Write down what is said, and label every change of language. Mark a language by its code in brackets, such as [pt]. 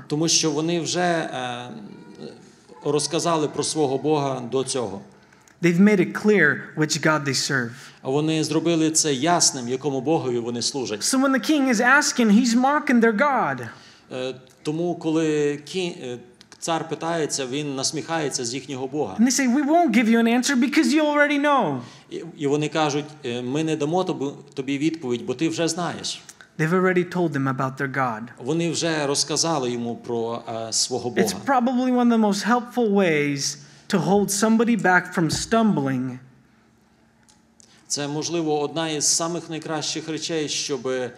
[uk] Тому що вони вже розказали про свого Бога до цього. [en] They've made it clear which God they serve. [uk] Вони зробили це ясним, якому Богові вони служать. [en] So when the king is asking, he's mocking their God. [uk] Тому коли цар питається, він насміхається з їхнього Бога. [en] And they say, we won't give you an answer because you already know. [uk] І вони кажуть, ми не дамо тобі відповідь, бо ти вже знаєш. [en] They've already told them about their God. [uk] Вони вже розказали йому про свого Бога. [en] It's probably one of the most helpful ways to hold somebody back from stumbling. [uk] Це, можливо, одна із самих найкращих речей, щоб